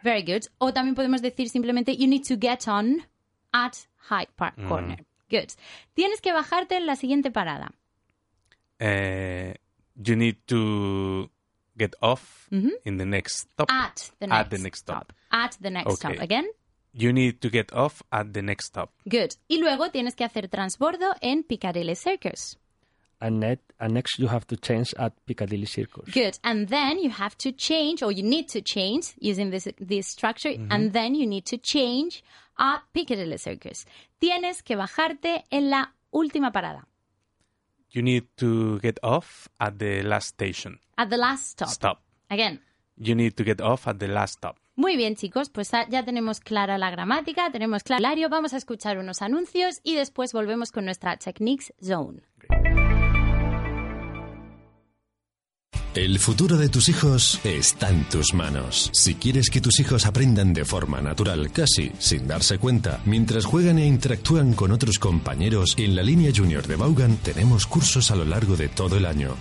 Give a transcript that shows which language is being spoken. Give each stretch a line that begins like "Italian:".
English: Very good.
Spanish: O también podemos decir simplemente,
English: you need to get on at Hyde Park Corner. Good.
Spanish: Tienes que bajarte en la siguiente parada.
English: You need to get off in the next stop. At the next stop. Again. You need to get off at the next stop. Good.
Spanish: Y luego tienes que hacer transbordo en Piccadilly Circus.
English: And next you have to change at Piccadilly Circus. Good. And then you have to change, or you need to change using this structure. Mm-hmm. And then you need to change at Piccadilly Circus.
Spanish: Tienes que bajarte en la última parada.
English: You need to get off at the last station. At the last stop. Stop. Again. You need to get off at the last stop.
Spanish: Muy bien, chicos, pues ya tenemos clara la gramática, tenemos claro el horario. Vamos a escuchar unos anuncios y después volvemos con nuestra Techniques Zone. El futuro de tus hijos está en tus manos. Si quieres que tus hijos aprendan de forma natural, casi sin darse cuenta, mientras juegan e interactúan con otros compañeros, en la línea Junior de Vaughan tenemos cursos a lo largo de todo el año.